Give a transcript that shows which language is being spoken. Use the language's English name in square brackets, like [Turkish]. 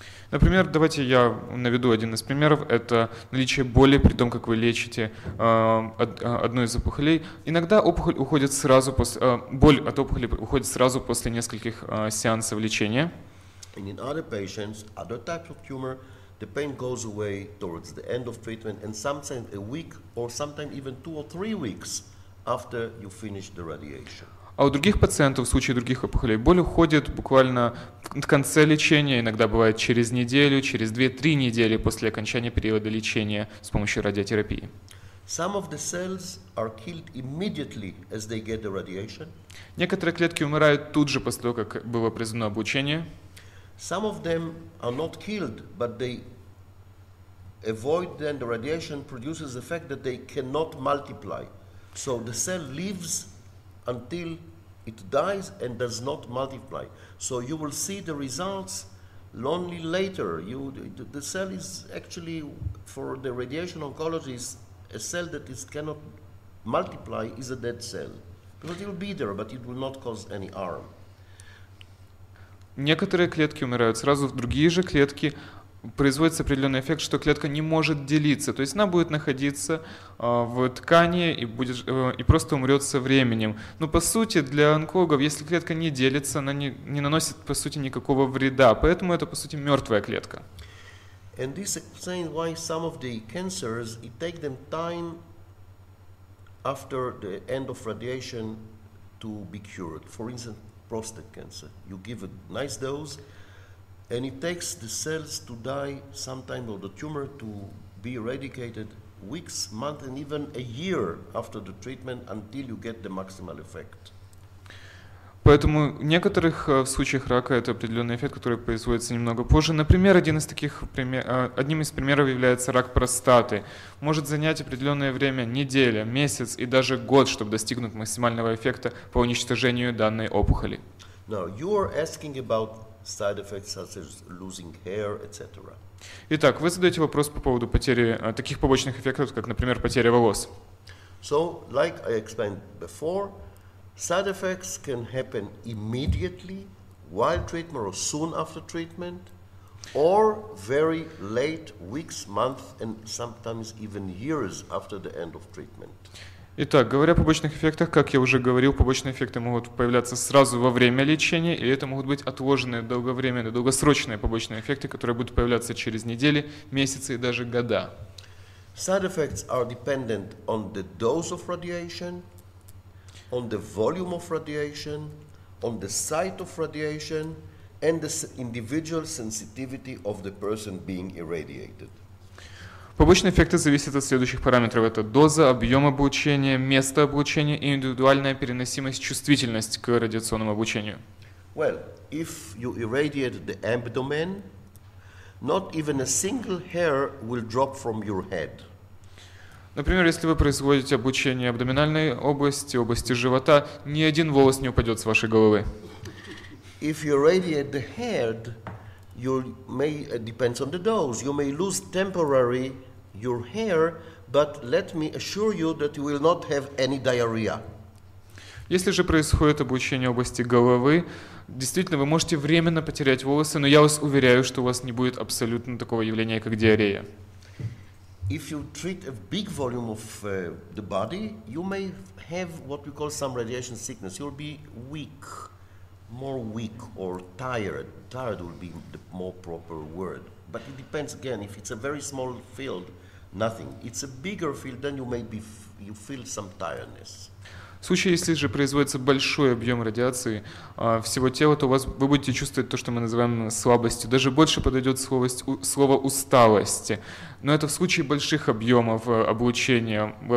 [Russian] Например, давайте я наведу один из примеров. Это наличие боли при том, как вы лечите одну из опухолей. Иногда опухоль уходит сразу после, боль от опухоли уходит сразу после нескольких сеансов лечения. [English] And in other patients, other types of tumor, the pain goes away towards the end of treatment and sometimes a week or sometimes even two or three weeks after you finish the radiation. [Russian] А у других пациентов, в случае других опухолей, боль уходит буквально в конце лечения, иногда бывает через неделю, через 2-3 недели после окончания периода лечения с помощью радиотерапии. [English] Some of the cells are killed immediately as they get the radiation. [Russian] Некоторые клетки умирают тут же после того, как было произведено облучение. [English] Some of them are not killed, but they avoid then the radiation produces effect that they cannot multiply. So the cell lives until it dies and does not multiply. So you will see the results only later. The cell is actually, for the radiation oncologist, a cell that is cannot multiply is a dead cell. Because it will be there, but it will not cause any harm. [Russian] Некоторые клетки умирают сразу, в другие же клетки производится определенный эффект, что клетка не может делиться. То есть она будет находиться в ткани и просто умрет со временем. Но по сути для онкологов, если клетка не делится, она не наносит по сути никакого вреда. Поэтому это по сути мертвая клетка. [English] And this explains why some of the cancers, it takes them time after the end of radiation to be cured. For instance, prostate cancer. You give a nice dose, and it takes the cells to die sometime, or the tumor to be eradicated weeks, months, and even a year after the treatment until you get the maximal effect. [Russian] Поэтому в некоторых случаях рака это определенный эффект, который производится немного позже. Например, одним из примеров является рак простаты. Может занять определенное время, неделя, месяц и даже год, чтобы достигнуть максимального эффекта по уничтожению данной опухоли. [English] Now, you are asking about side effects such as losing hair, etc. [Russian] Итак, вы задаете вопрос по поводу потери таких побочных эффектов, как, например, потеря волос. [English] So, like I explained before, side effects can happen immediately while treatment or soon after treatment, or very late, weeks, months, and sometimes even years after the end of treatment. [Russian] Итак, говоря о побочных эффектах, как я уже говорил, побочные эффекты могут появляться сразу во время лечения, или это могут быть отложенные долговременные, долгосрочные побочные эффекты, которые будут появляться через недели, месяцы и даже года. [English] Side effects are dependent on the dose of radiation, on the volume of radiation, on the site of radiation, and the individual sensitivity of the person being irradiated. [Russian] Побочные эффекты зависят от следующих параметров. Это доза, объем облучения, место облучения и индивидуальная переносимость, чувствительность к радиационному облучению. [English] Well, if you irradiate the abdomen, not even a single hair will drop from your head. [Russian] Например, если вы производите облучение абдоминальной области, области живота, ни один волос не упадет с вашей головы. [English] If you irradiate the head, you may, it depends on the dose, you may lose temporary your hair, but let me assure you that you will not have any diarrhea. [Russian] Если же происходит облучение области головы, действительно, вы можете временно потерять волосы, но я вас уверяю, что у вас не будет абсолютно такого явления, как диарея. [English] If you treat a big volume of the body, you may have what we call some radiation sickness. You'll be weak, more weak or tired. Tired will be the more proper word. But it depends again. If it's a very small field, nothing. It's a bigger field, then you may be you feel some tiredness. [Russian] В случае, если же производится большой объем радиации всего тела, то у вас, вы будете чувствовать то, что мы называем слабостью. Даже больше подойдет слово усталости. Но это в случае больших объемов облучения.